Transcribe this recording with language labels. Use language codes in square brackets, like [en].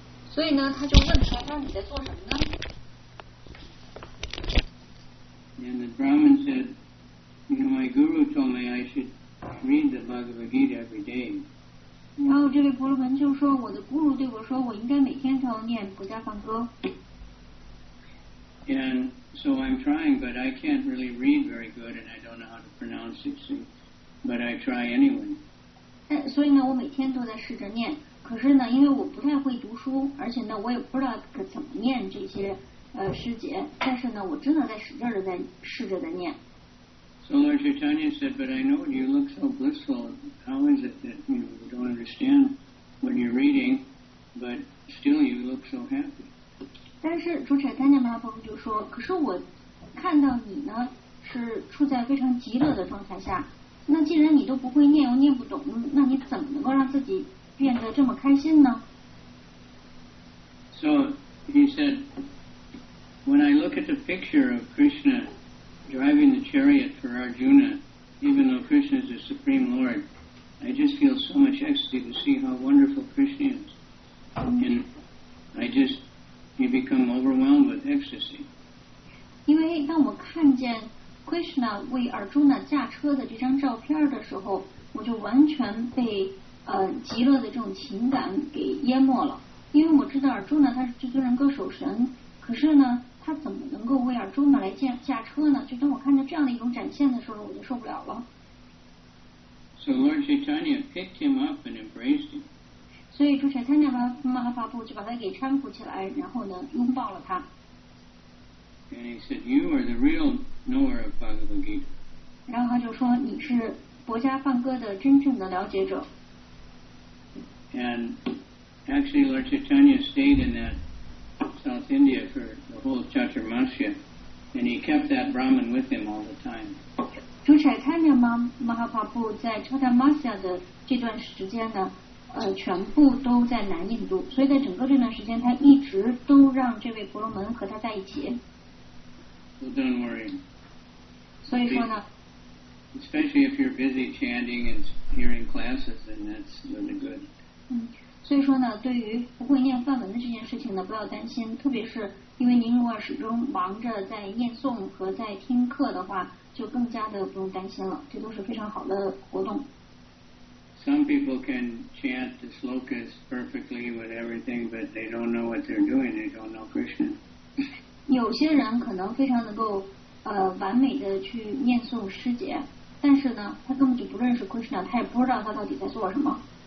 [zh] 所以呢，他就问他说：“你在做什么呢？” [en] And the Brahmin said. You know, my guru told me I should read the Bhagavad Gita every day. [zh] 然后这位婆罗门就说，我的古鲁对我说，我应该每天都要念《薄伽梵歌》。 [en] And so I'm trying, but I can't really read very good, and I don't know how to pronounce it. So, but I try anyway. [zh] 所以呢，我每天都在试着念。可是呢，因为我不太会读书，而且呢，我也不知道怎么念这些师姐。但是呢，我真的在使劲的在试着的念。 [en] So Lord Chaitanya said, but I know you look so blissful. How is it that you know, you don't understand what you're reading, but still you look so happy? [zh] 但是主 Chaitanya Mahaprabhu 就说，可是我看到你呢是处在非常极乐的状态下，那既然你都不会念又念不懂，那你怎么能够让自己变得这么开心呢？ [en] So he said, when I look at the picture of Krishna driving the chariot for Arjuna, even though Krishna is the Supreme Lord, I just feel so much ecstasy to see how wonderful Krishna is. And I just, you become overwhelmed with ecstasy. [zh] 因为当我看见 Krishna 为 Arjuna 驾车的这张照片的时候，我就完全被极乐的这种情感给淹没了。因为我知道 Arjuna 他是至尊人格守神，可是呢他怎么能够为 Arjuna 来驾车呢？就当我看到这样的一种展现的时候，我就受不了了。 [en] So Lord Chaitanya picked him up and embraced him. [zh] 所以主持人他马哈巴布就把他给搀扶起来，然后呢拥抱了他。 [en] And he said, you are the real knower of Bhagavad Gita. [zh] 然后他就说你是薄伽梵歌的真正的了解者。 [en] And actually Lord Chaitanya stayed in that South India for the whole Chaturmasya. And he kept that Brahman with him all the time. [zh] 主柴坦尼玛马哈帕布在查达玛西亚的这段时间呢，全部都在南印度，所以在整个这段时间，他一直都让这位婆罗门和他在一起。 [en] So don't worry. [zh] 所以说呢 [en] ，especially if you're busy chanting and hearing classes, then that's really good. [zh] 所以说呢，对于不会念梵文的这件事情呢，不要担心，特别是因为您如果始终忙着在念诵和在听课的话。就更加的不用担心了，这都是非常好的活动。 [en] Some people can chant the slokas perfectly with everything, but they don't know what they're doing. They don't know Krishna. [zh] 有些人可能非常能够完美的去念诵师姐，但是呢，他根本就不认识 Krishna， 他也不知道他到底在做什么。